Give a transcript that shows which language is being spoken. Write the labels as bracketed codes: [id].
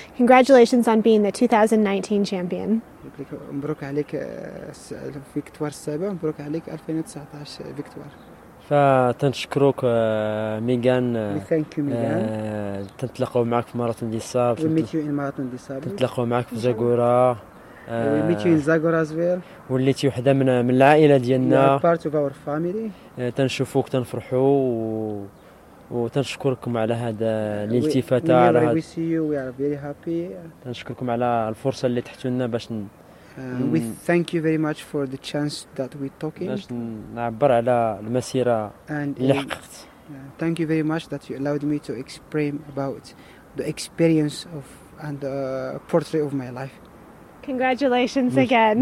[en] Congratulations on being the 2019 champion. [ar] مبروك عليك الفيكتوار السابع، مبروك عليك 2019 فيكتوار. فتنشكروك ميغان. [en] Thank you Megan. [ar] تنتلاقوا معك في ماراثون دي صاب. [en] We meet you in Marathon de Saab. [ar] تنتلاقوا معك في زاغورا. [en] We meet you in Zagora as well. [ar] وليتي وحدة من العائلة ديالنا. [en] You are part of our family. [ar] تنشوفوك تنفرحوا وتنشكركم على هذا الالتفات. [en] We see you, we are very happy. [ar] تنشكركم على الفرصة اللي تحتو لنا باش [en] We thank you very much for the chance that we talking. [ar] باش نعبر على المسيرة اللي حققت. [en] Thank you very much that you allowed me to explain about the experience of and the portrait of my life. Congratulations again.